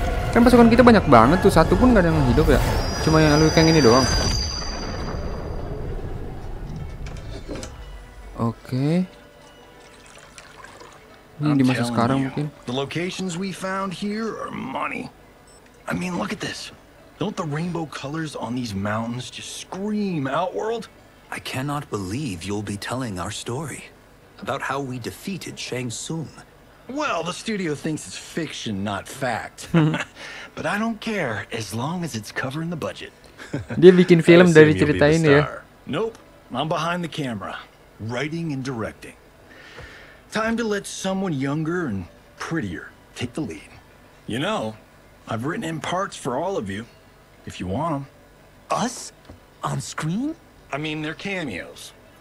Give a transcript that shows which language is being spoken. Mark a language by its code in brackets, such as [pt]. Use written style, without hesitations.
[id] Kan pasukan kita banyak banget tuh, satu pun gak ada yang hidup ya. Cuma yang Liu Kang ini doang. Oke. Okay. Ini di masa sekarang mungkin. [en] The locations we found here are money. I mean, look at this. Don't the rainbow colors on these mountains just scream outworld? I cannot believe you'll be telling our story about how we defeated Shang Tsung. Well, the studio thinks it's fiction, not fact. But I don't care as long as it's covering the budget. [id] Dia bikin film dari cerita ini ya. [en] Nope, I'm behind the camera, writing and directing. Time to let someone younger and prettier take the lead. You know, I've written in parts for all of you, if you want them. Us? On screen? I mean, they're cameos.